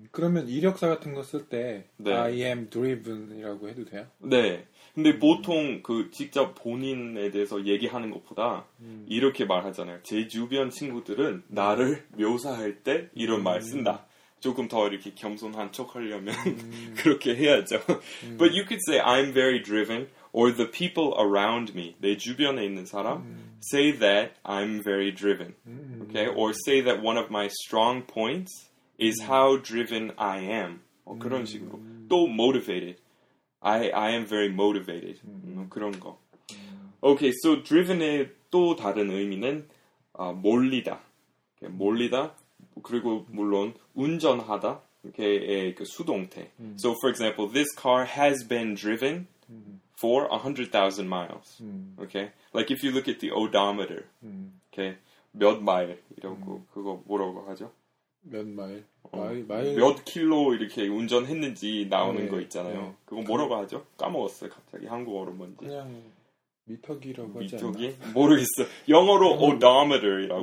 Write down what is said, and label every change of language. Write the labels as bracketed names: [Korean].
[Korean] 그러면 이력서 같은 거 쓸 때 네, [English] I am driven [Korean] 이라고 해도 돼요? 네. 근데 보통 그 직접 본인에 대해서 얘기하는 것보다 이렇게 말하잖아요. 제 주변 친구들은 나를 묘사할 때 이런 말 쓴다. 조금 더 이렇게 겸손한 척 하려면 그렇게 해야죠. [English] But you could say I'm very driven or the people around me. [Korean] 내 주변에 있는 사람 [English] say that I'm very driven, okay? Or say that one of my strong points is how driven I am. [Korean] 그런 식으로. 또 motivated. [English] I am very motivated. [Korean] 그런 거. Okay, so driven의 또 다른 의미는 몰리다. Okay, 몰리다. 그리고 물론 운전하다. Okay, 그 수동태. [English] So for example, this car has been driven for 100,000 miles. Okay? Like if you look at the odometer. Okay? [Korean] 몇 마일 이러고 그거 뭐라고 하죠? 몇 마일? 마일 몇 킬로 이렇게 운전했는지 나오는 네, 거 있잖아요. 네. 그거 뭐라고 그, 하죠? 까먹었어요. 갑자기 한국어로 뭔지. 그냥 미터기라고 하지 미터기? 않나? 미터기? 모르겠어. 영어로 odometer이라고